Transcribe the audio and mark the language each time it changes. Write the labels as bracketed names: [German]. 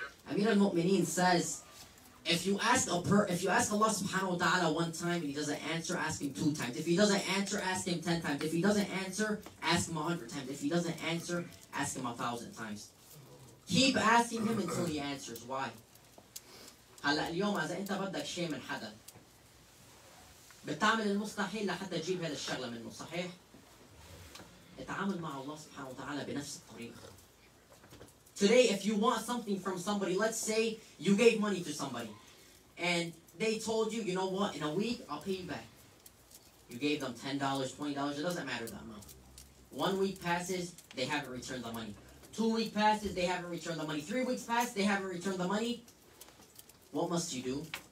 [English] Amir al-Mu'mineen says, If you ask Allah subhanahu wa ta'ala one time and He doesn't answer, ask Him 2 times. If He doesn't answer, ask Him 10 times. If He doesn't answer, ask Him 100 times. If He doesn't answer, ask Him 1,000 times. Keep asking Him until He answers. Why? [Arabic] هلأ اليوم إذا أنت بدك شيء من حدا بتعمل المستحيل لحتى تجيب هذا الشغلة منه صحيح؟ اتعامل مع الله سبحانه وتعالى بنفس الطريقة. [English] Today, if you want something from somebody, let's say you gave money to somebody and they told you, you know what, in a week, I'll pay you back. You gave them $10, $20, it doesn't matter the amount. 1 week passes, they haven't returned the money. 2 weeks passes, they haven't returned the money. 3 weeks pass, they haven't returned the money. What must you do?